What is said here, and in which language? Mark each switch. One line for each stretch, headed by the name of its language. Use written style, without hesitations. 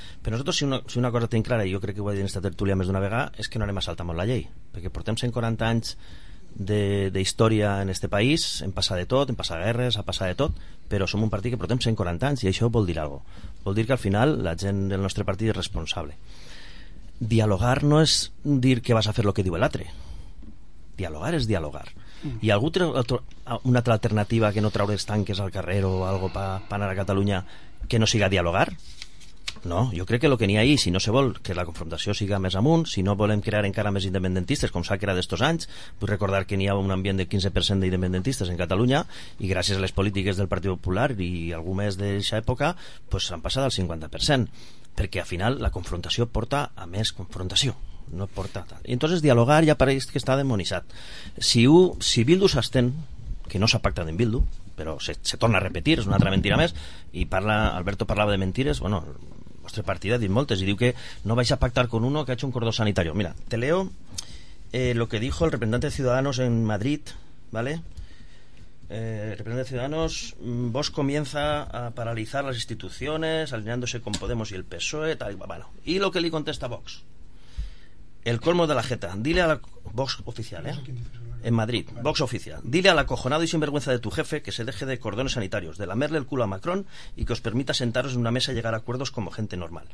Catalan: Però nosaltres, si una cosa tenim clara, i jo crec que ho he dit en esta tertúlia més d'una vegada, és que no anem a saltar molt la llei, perquè portem 140 anys de història en este país, hem passat de tot, hem passat guerres, ha passat de tot, però som un partit que portem 140 anys, i això vol dir algo. Vol dir que al final la gent del nostre partit és responsable.
Spanish: dialogar no es decir que vas a hacer lo que dice el otro. Dialogar es dialogar. ¿Y alguna otra alternativa que no
Catalan: traures tanques al carrer
Spanish: o algo para
Catalan: anar a Cataluña que no siga dialogar? No, jo crec que el que n'hi ha ahí, si no se vol que la confrontació siga més amunt, si no volem crear encara més independentistes, com s'ha creat d'estos anys, vull recordar que n'hi ha un ambient de 15% d'independentistes en Catalunya, i gràcies a les polítiques del Partit Popular i algú més d'aquesta època, pues s'han passat al 50%, perquè al final la confrontació porta a més confrontació, no porta tal. I entonces dialogar ja pareix que està demonitzat. Si Bildu s'estén, que no s'ha pactat en Bildu, però se torna a repetir, és una altra mentira més, i Alberto parlava de mentires, bueno, vostre partit ha dit moltes i diu que no vais a pactar
Spanish: con uno que ha hecho
Catalan: un cordó sanitario.
Spanish: Mira, te leo lo que dijo el representante de Ciudadanos en Madrid, ¿vale? Representante de Ciudadanos, Vox comienza a paralizar las instituciones alineándose con Podemos y el PSOE, tal y bueno. Y lo que le contesta Vox, el colmo de la jeta, dile a la Vox oficial, en Madrid, Vox oficial, dile al acojonado y sinvergüenza de tu jefe que se deje de cordones sanitarios, de lamerle el culo a Macron y que os permita sentaros en una mesa y llegar a acuerdos como gente normal.